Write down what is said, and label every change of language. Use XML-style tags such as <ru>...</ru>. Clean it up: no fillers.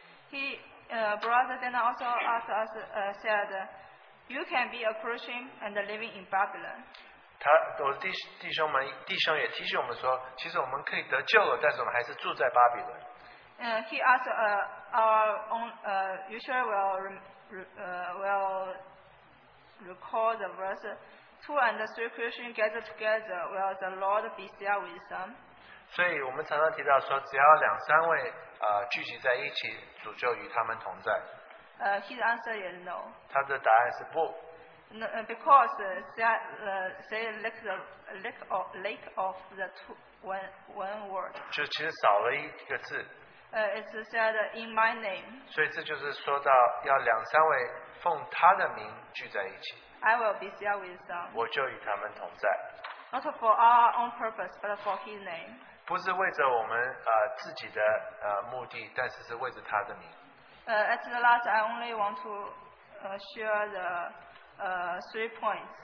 <en>He brother then also asked us said, "You can be a Christian and living in Babylon."</en> <zh>我弟兄也提醒我们说，其实我们可以得救了，但是我们还是住在巴比伦。</zh> <en>He asked our own you sure will recall the verse, 2 and 3 Christians gather together, will the Lord be there with them?</en> <zh>所以我们常常提到说，只要两三位聚集在一起，主就与他们同在。</zh> <en>His answer is no.</en> <zh>他的答案是不。</zh> <en>No, because they lack the lack of the one word.</en> <zh>就其实少了一个字。</zh> <en>It's said in my name.</en> <zh>所以这就是说到要两三位。奉他的名聚在一起,</zh> <en>I will be there with them.</en> <zh>我就与他们同在,</zh> <en>not for our own purpose, but for His name.</en> <zh>不是为着我们, 自己的, 目的, 但是是为着他的名。</zh> <en>At the last, I only want to share the three points.</en>